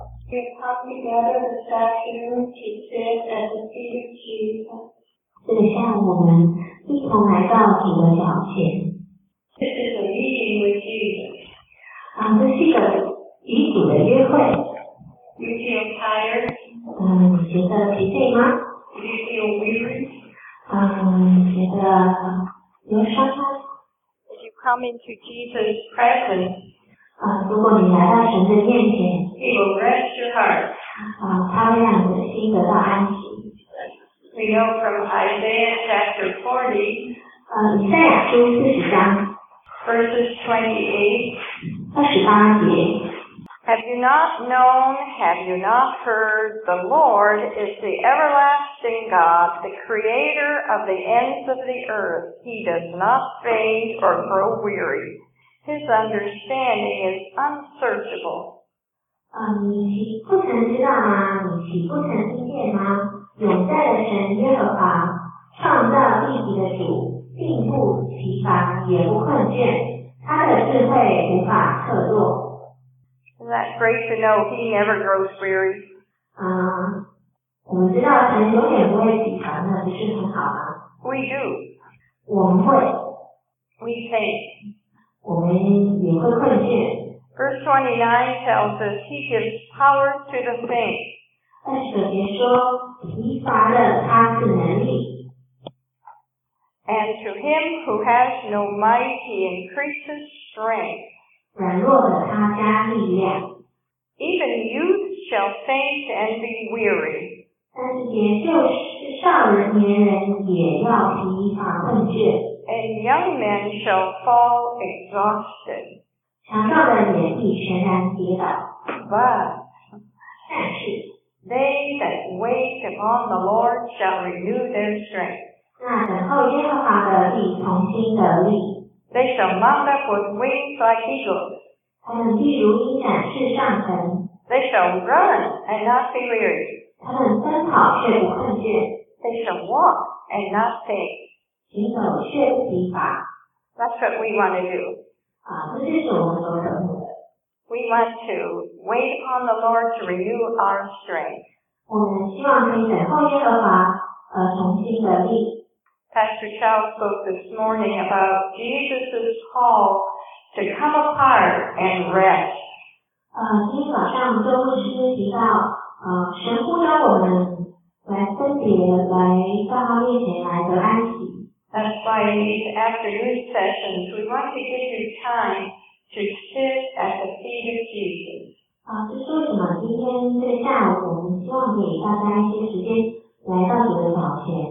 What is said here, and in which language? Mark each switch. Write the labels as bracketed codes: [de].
[en] They taught me that it was that you teach it at the feet of Jesus. [zh] 这像我们一同来到主的脚前。 [en] This is a meeting with Jesus. [zh] 啊，这是一个与主的约会。 [en] Do you feel tired? [zh] 你觉得疲惫吗？ [en] Do you feel weary? [zh] 觉得忧伤吗？ [en] Come into Jesus' presence. [zh] 如果你来到神的面前 [en] He will rest your heart. [zh] 他会让你的心得到安息。 [en] We know from Isaiah chapter 40. [zh] 以赛亚书40章 [en] verses 28. [zh] 28节。 [en] Have you not known, have you not heard, the Lord is the everlasting God, the creator of the ends of the earth. He does not fade or grow weary. His understanding is unsearchable. [zh] 你不曾知道吗？你岂不曾听见吗？永在的神耶和华，创造地极的主，并不疲乏，也不困倦，他的智慧无法测度。 [en] Isn't that great to know he never grows weary? [zh] 我们知道神永远不会疲乏，那不是很好吗？ [en] We do. [zh] 我们会。 [en] We think. [zh] 我们也会困倦。 [en] Verse 29 tells us he gives power to the faint. [zh] 29节说，疲乏的他赐能力。 [en] And to him who has no might, he increases strength. [zh] 软弱的他加力量。 [en] Even youth shall faint and be weary. [zh] 但是也就是少年人也要疲乏困倦。 [en] And young men shall fall exhausted. [zh] 强壮的也必全然跌倒。 [en] But, [zh] 但是 [en] they that wait upon the Lord shall renew their strength. [zh] 那等候耶和华的必重新得力。 [en] They shall mount up with wings like eagles. [zh] 他们必如鹰展翅上腾。 [en] They shall run and not be weary. [zh] 他们奔跑却不困倦。 [en] They shall walk and not faint. [zh] 行走却不疲乏。 [en] That's what we want to do. [zh] 这就是我们所等候的。 [en] We want to wait upon the Lord to renew our strength. [zh] 我们希望可以等候耶和华，重新得力。 [en] Pastor Chow spoke this morning about Jesus' call to come apart and rest. [zh] 今天早上周牧师提到，神呼召我们来分别，来到他面前来得安息。 [en] That's why in these afternoon sessions, we want to give you time to sit at the feet of Jesus. [zh] 这是为什么今天在下午，我们希望给大家一些时间来到主的脚前。